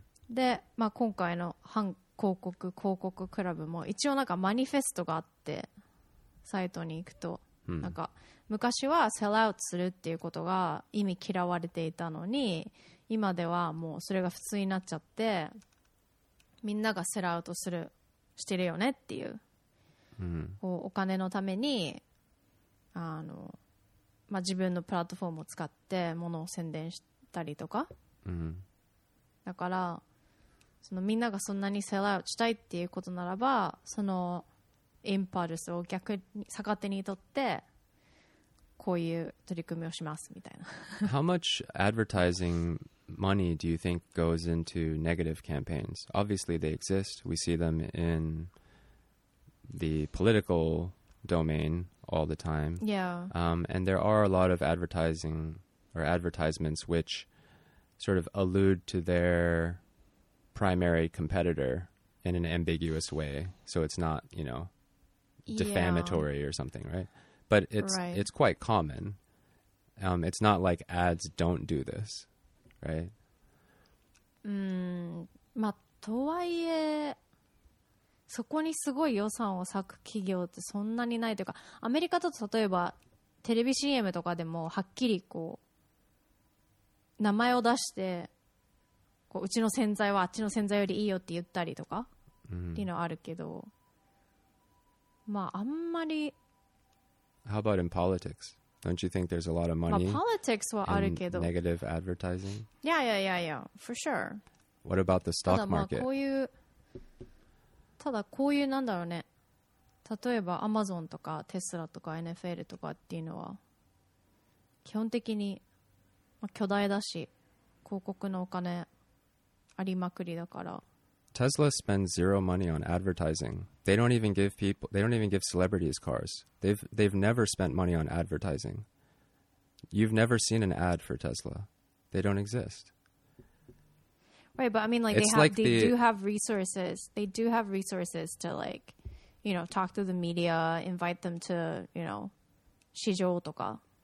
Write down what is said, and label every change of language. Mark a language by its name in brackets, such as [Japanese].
[Japanese] で、まあ、今回の反広告広告クラブも一応なんかマニフェストがあって、サイトに行くと、なんか昔はセルアウトするっていうことが意味嫌われていたのに、今ではもうそれが普通になっちゃって、みんながセルアウトするしてるよねっていう、こうお金のために、あの、まあ、自分のプラットフォームを使ってものを宣伝したりとか、だからそのみんながそんなにセルアウトしたいっていうことならば、そのインパルスを逆に逆手にとってこういう取り組みをしますみたいな。 [English] How much advertising money do you think goes into negative campaigns? Obviously they exist. We see them in the political domain all the time. Yeah. And there are a lot of advertising or advertisements which sort of allude to their primary competitor in an ambiguous way. So it's not, you know, defamatory or something, right? But it's quite common. It's not like ads don't do this, right? [Japanese] まあ、とはいえそこにすごい予算を割く企業ってそんなにないというか、アメリカだと例えばテレビ CM とかでもはっきりこう名前を出してこ うちの洗剤はあっちの洗剤よりいいよって言ったりとか、 mm-hmm. っていうのはあるけど、まああんまり。 [English] How about in politics? Don't you think there's a lot of money? [Japanese] まあ politics はあるけど、 [English] negative advertising? Yeah, yeah, yeah, yeah, for sure. What about the stock market? [Japanese] ただまあこういう、ただこういうなんだろうね、例えばアマゾンとかテスラとか NFL とかっていうのは基本的に巨大だし広告のお金ありまくりだから。 [English] Tesla spends zero money on advertising. They don't even give people, they don't even give celebrities cars. They've never spent money on advertising. You've never seen an ad for Tesla. They don't exist. Right, but I mean, like, they do have resources to, like, you know, talk to the media, invite them to, you know, 市場とか.